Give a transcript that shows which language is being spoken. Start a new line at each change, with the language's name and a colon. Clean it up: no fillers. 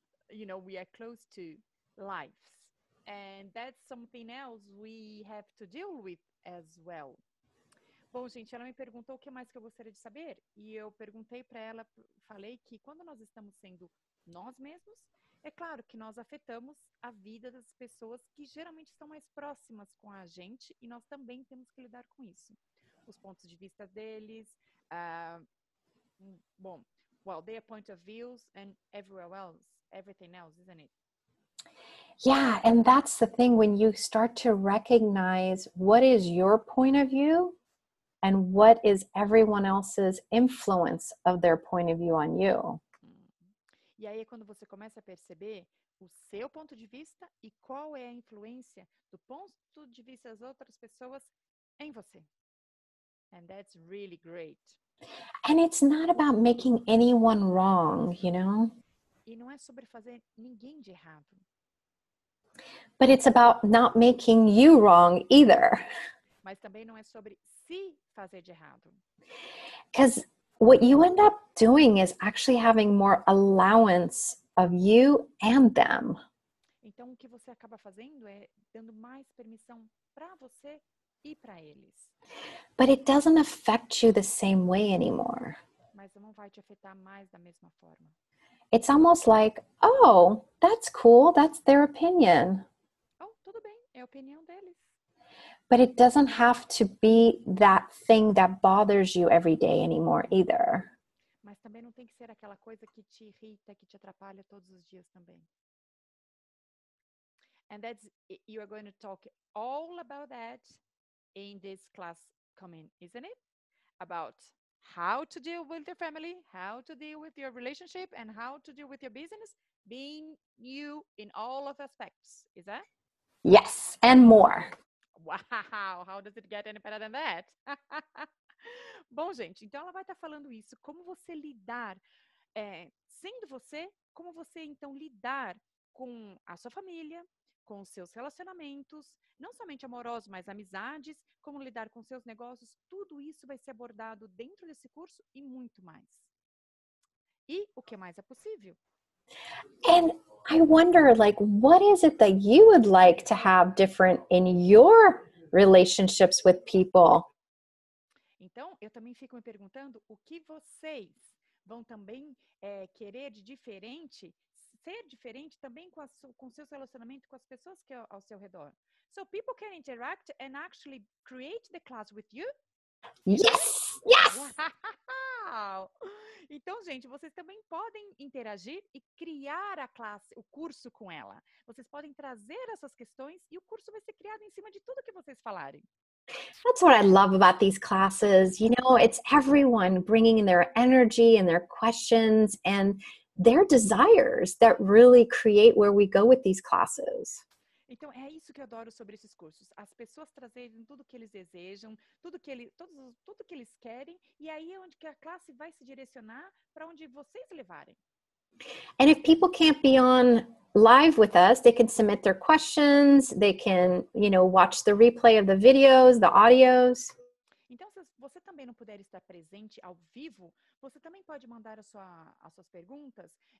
English: you know, we are close to lives. And that's something else we have to deal with as well.
Portuguese: Bom, gente, ela me perguntou o que mais que eu gostaria de saber. E eu perguntei para ela, falei que quando nós estamos sendo nós mesmos, é claro que nós afetamos a vida das pessoas que geralmente estão mais próximas com a gente e nós também temos que lidar com isso. Os pontos de vista deles,
English: their point of views and everywhere else, everything else, isn't it? Yeah, and that's the thing, when you start to recognize what is your point of view and what is everyone else's influence of their point of view on you.
Portuguese: E aí é quando você começa a perceber o seu ponto de vista e qual é a influência do ponto de vista das outras pessoas em você.
English: And that's really great. And it's not about making anyone wrong, you know?
Portuguese: E não é sobre fazer ninguém de errado.
English: But it's about not making you wrong either.
Portuguese: Mas também não é sobre se fazer de errado.
English: Because what you end up doing is actually having more allowance of you and them.
Portuguese: Então, o que você acaba fazendo é dando mais permissão para você e para eles.
English: But it doesn't affect you the same way anymore.
Portuguese: Mas não vai te afetar mais da mesma forma.
English: It's almost like, oh, that's cool, that's their opinion.
Portuguese: Oh, tudo bem, é a opinião deles.
English: But it doesn't have to be that thing that bothers you every day anymore either.
Portuguese: Mas também não tem que ser aquela coisa que te irrita, que te atrapalha todos os dias também.
English: And that's, you are going to talk all about that in this class coming, isn't it? About how to deal with your family, how to deal with your relationship, and how to deal with your business, being you in all of aspects, is that? Yes, and more. Wow, how does it get any better than that?
Portuguese: Bom, gente, então ela vai estar falando isso, como você lidar, sendo você, como você então lidar com a sua família, com seus relacionamentos, não somente amorosos, mas amizades, como lidar com seus negócios, tudo isso vai ser abordado dentro desse curso e muito mais. E o que mais é possível?
English: And I wonder, like, what is it that you would like to have different in your relationships with people?
Portuguese: Então, eu também fico me perguntando o que vocês vão também querer de diferente, ser diferente também com seus relacionamentos com as pessoas que ao seu redor.
English: So people can interact and actually create the class with you? Yes! Yes! Wow.
Portuguese: Então, gente, vocês também podem interagir e criar a classe, o curso com ela. Vocês podem trazer essas questões e o curso vai ser criado em cima de tudo que vocês falarem.
English: That's what I love about these classes. You know, it's everyone bringing their energy and their questions and their desires that really create where we go with these classes.
Portuguese: Então, é isso que eu adoro sobre esses cursos. As pessoas trazerem tudo que eles desejam, tudo que eles querem, e aí é onde que a classe vai se direcionar para onde vocês levarem.
English: And if people can't be on live with us, they can submit their questions, they can, you know, watch the replay of the videos, the audios.
Portuguese: Então, se você também não puder estar presente ao vivo, você também pode mandar as suas perguntas.